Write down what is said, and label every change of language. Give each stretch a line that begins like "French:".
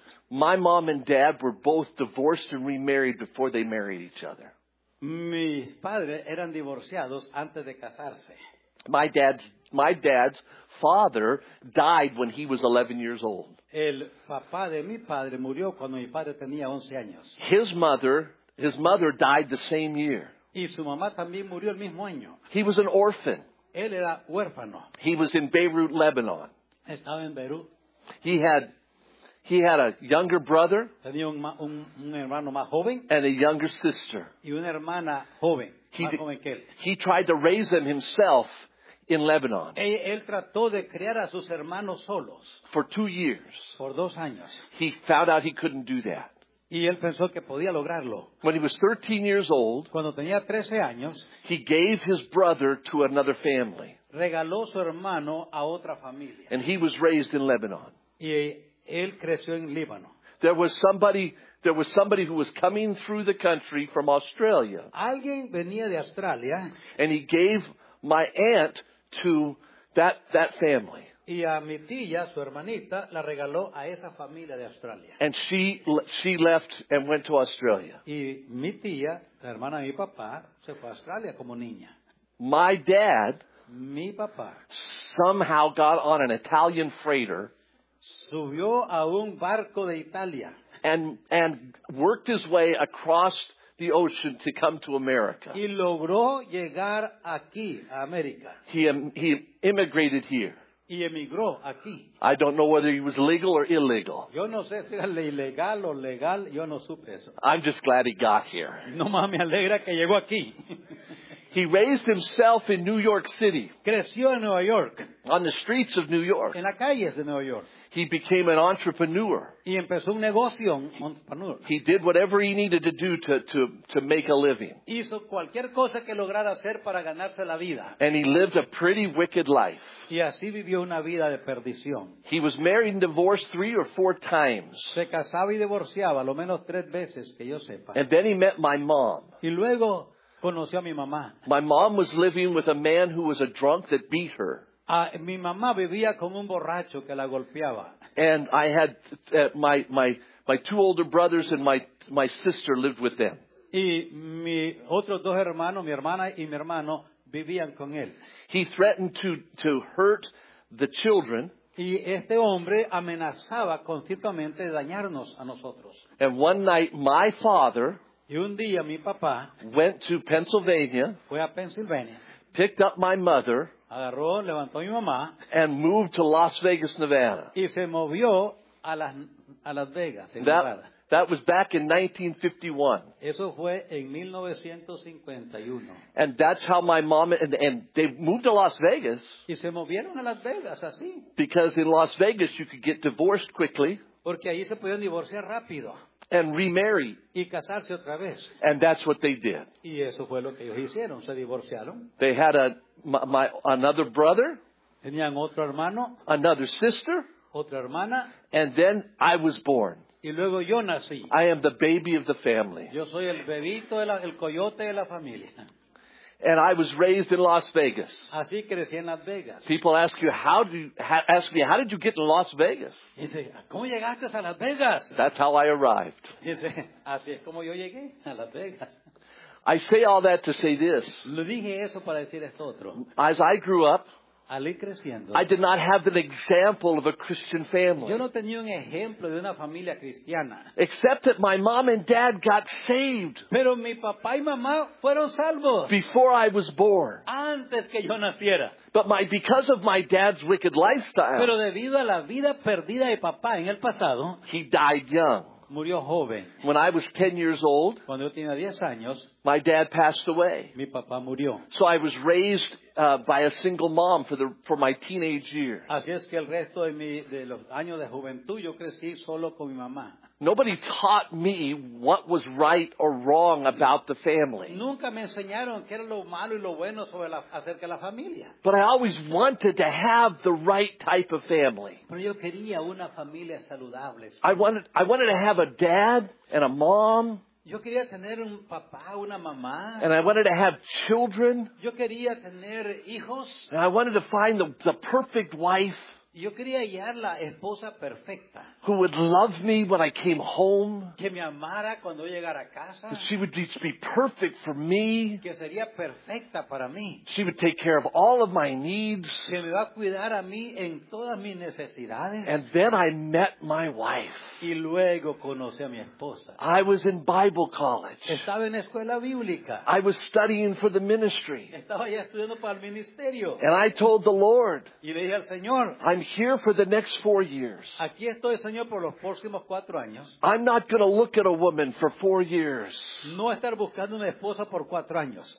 English: My mom and dad were both divorced and remarried before they married each other.
Spanish: Mis padres eran divorciados antes de casarse.
English: My dad's father died when he was 11 years old.
Spanish: El papá de mi padre murió cuando mi padre tenía 11 años.
English: His mother died the same year.
Spanish: Y su mamá también murió el mismo año.
English: He was an orphan.
Spanish: Él era huérfano.
English: He was in Beirut, Lebanon.
Spanish: Estaba en Beirut.
English: He had a younger brother.
Spanish: Tenía un hermano más joven.
English: And a younger sister.
Spanish: Y una hermana joven, más joven que él.
English: He tried to raise them himself in Lebanon.
Spanish: Él trató de criar a sus hermanos solos.
English: For 2 years.
Spanish: Por 2 años.
English: He found out he couldn't do that.
Spanish: Y él pensó que podía lograrlo.
English: When he was 13 years old.
Spanish: Cuando tenía 13 años.
English: He gave his brother to another family.
Spanish: Regaló su hermano a otra familia.
English: And he was raised in Lebanon.
Spanish: Y él creció en Líbano.
English: There was somebody who was coming through the country from Australia.
Spanish: Alguien venía de Australia.
English: And he gave my aunt to that family.
Spanish: Y a mi tía, su hermanita, la regaló a esa familia de Australia.
English: And she left and went to Australia.
Spanish: Y mi tía, la hermana de mi papá, se fue a Australia como niña.
English: My dad.
Spanish: Mi papá
English: somehow got on an Italian freighter,
Spanish: subió a un barco de Italia,
English: and worked his way across the ocean to come to America.
Spanish: Y logró llegar aquí, a América.
English: He immigrated here.
Spanish: Y emigró aquí.
English: I don't know whether he was legal or illegal.
Spanish: Yo no sé si era ilegal o legal. Yo no supe eso.
English: I'm just glad he got here.
Spanish: No más me alegra que llegó aquí.
English: He raised himself in New York City.
Spanish: Creció en Nueva York.
English: On the streets of New York.
Spanish: En las calles de Nueva York.
English: He became an entrepreneur.
Spanish: Y empezó un negocio, un entrepreneur.
English: He did whatever he needed to do to make a living.
Spanish: Hizo cualquier cosa que lograra hacer para ganarse la vida.
English: And he lived a pretty wicked life.
Spanish: Y así vivió una vida de perdición.
English: He was married and divorced 3 or 4 times.
Spanish: Se casaba y divorciaba lo menos 3 veces que yo sepa.
English: And then he met my mom.
Spanish: Y luego conoció a mi mamá.
English: My mom was living with a man who was a drunk that beat her.
Spanish: Mi mamá vivía con un borracho que la golpeaba.
English: And I had my 2 older brothers and my sister lived with them.
Spanish: Y mi otros 2 hermanos, mi hermana y mi hermano, vivían con él.
English: He threatened to hurt the children.
Spanish: Y este hombre amenazaba constantemente de dañarnos a nosotros.
English: And one night my father,
Spanish: y un día mi papá,
English: went to Pennsylvania,
Spanish: fue a Pennsylvania,
English: picked up my mother,
Spanish: agarró, levantó a mi mamá,
English: and moved to Las Vegas, Nevada.
Spanish: Y se movió a Las Vegas, en Nevada.
English: That was back in 1951.
Spanish: Eso fue en 1951.
English: And that's how my mom and they moved to Las Vegas.
Spanish: Y se movieron a Las Vegas, así.
English: Because in Las Vegas you could get divorced quickly.
Spanish: Porque ahí se podían divorciar rápido.
English: And remarry.
Spanish: Y casarse otra vez.
English: And that's what they did.
Spanish: Y eso fue lo que ellos hicieron. Se divorciaron.
English: They had another brother.
Spanish: Tenían otro hermano.
English: Another sister.
Spanish: Otra hermana.
English: And then I was born.
Spanish: Y luego yo nací.
English: I am the baby of the family.
Spanish: Yo soy el bebito, el coyote de la familia.
English: And I was raised in Las Vegas.
Spanish: Así crecí en Las Vegas.
English: People ask you, how did you get to Las Vegas?
Spanish: Dice, ¿cómo llegaste a Las Vegas?
English: That's how I arrived.
Spanish: Dice, así es como yo llegué a Las Vegas.
English: I say all that to say this.
Spanish: Le dije eso para decir esto otro.
English: As I grew up,
Spanish: al ir creciendo,
English: I did not have an example of a Christian family.
Spanish: Yo no tenía un ejemplo de una familia cristiana.
English: Except that my mom and dad got saved.
Spanish: Pero mi papá y mamá fueron salvos.
English: Before I was born.
Spanish: Antes que yo naciera.
English: But because of my dad's wicked lifestyle.
Spanish: Pero debido a la vida perdida de papá en el pasado.
English: He died young.
Spanish: Murió joven.
English: When I was 10 years old.
Spanish: Cuando yo tenía 10 años.
English: My dad passed away.
Spanish: Mi papá murió.
English: So I was raised by a single mom for my teenage years.
Spanish: Así es que el resto de los años de juventud yo crecí solo con mi mamá.
English: Nobody taught me what was right or wrong about the family.
Spanish: Nunca me enseñaron qué era lo malo y lo bueno sobre la, acerca de la familia.
English: But I always wanted to have the right type of family.
Spanish: Pero yo quería una familia saludable.
English: I wanted to have a dad and a mom.
Spanish: Yo quería tener un papá, una mamá.
English: And I wanted to have children.
Spanish: Yo quería tener hijos.
English: And I wanted to find the perfect wife.
Spanish: Yo quería hallar la esposa perfecta.
English: Who would love me when I came home.
Spanish: Que me amara cuando llegara a casa.
English: She would just be perfect for me.
Spanish: Que sería perfecta para mí.
English: She would take care of all of my needs.
Spanish: Que me va a cuidar a mí en todas mis necesidades.
English: And then I met my wife.
Spanish: Y luego conocí a mi esposa.
English: I was in Bible college.
Spanish: Estaba en escuela bíblica.
English: I was studying for the ministry.
Spanish: Estaba ya estudiando para el ministerio.
English: And I told the Lord.
Spanish: Y le dije al Señor.
English: I'm here for the next 4 years.
Spanish: Aquí estoy, Señor, por los próximos 4 años.
English: I'm not going to look at a woman for 4 years.
Spanish: No estar buscando una esposa por 4 años.